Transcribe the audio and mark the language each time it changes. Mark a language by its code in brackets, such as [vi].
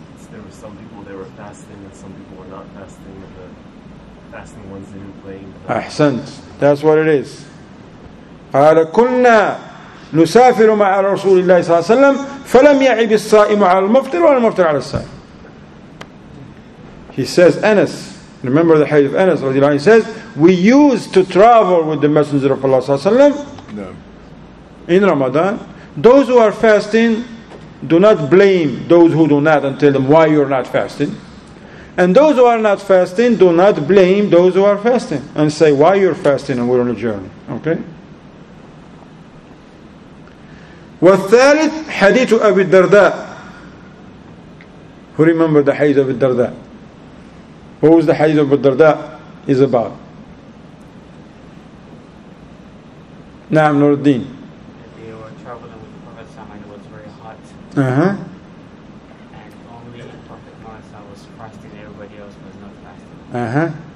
[en] There were some people that were fasting and some people were not fasting. And the fasting ones didn't play. Ahsant. That's what it is. [ar] قال كنا نسافر مع رسول الله صلى الله عليه وسلم فلم يعب الصائم على المفطر ولا المفطر على الصائم. [en] He says Anas, remember the hadith of Anas رضي الله عنه, he says we used to travel with the Messenger of Allah صلى الله عليه وسلم in Ramadan. Those who are fasting, do not blame those who do not and tell them why you are not fasting. And those who are not fasting, do not blame those who are fasting and say why you are fasting and we're on a journey. Okay. [ar] والثالث حديث أبي الدرداء. [en] Who remember the hadith of Abu Darda? Who was the hadith of Abu Darda is about? Naam Nuruddin. They were traveling with the Prophet and it was very hot. And only the Prophet was fasting, everybody else was not fasting.